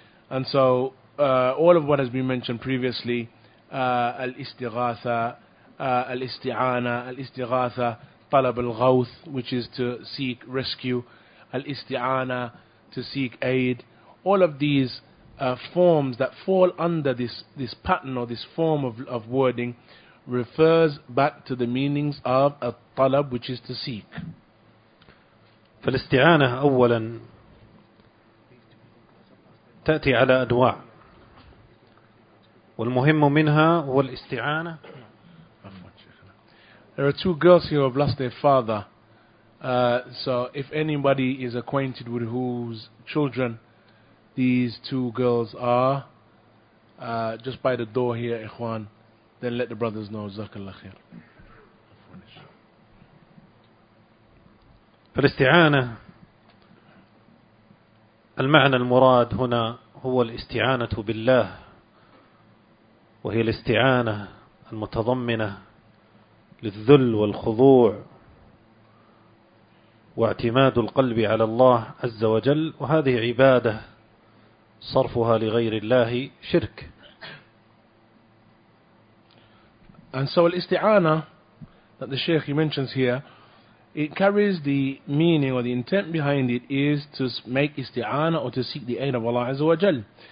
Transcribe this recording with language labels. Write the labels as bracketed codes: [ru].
[en] And so all of what has been mentioned previously, al-istighatha, al-isti'ana, al-istighatha, talab al-ghawth, which is to seek rescue, al-isti'ana, to seek aid, all of these forms that fall under this pattern or this form of wording refers back to the meanings of a talab, which is to seek. [ar] فالاستعانة أولا تأتي على أدواع، والمهم منها هو الاستعانة. [en] There are two girls here who have lost their father. So if anybody is acquainted with whose children these two girls are, just by the door here, Ikhwan, then let the brothers know. [ar] Jazakallah khair. فالاستعانة المعنى المراد هنا هو الاستعانة بالله، وهي الاستعانة المتضمنة للذل والخضوع واعتماد القلب على الله عز وجل، وهذه عبادة صرفها لغير الله شرك. [en] And so al-isti'ana that the Shaykh mentions here, it carries the meaning or the intent behind it is to make isti'ana or to seek the aid of Allah عز وجل.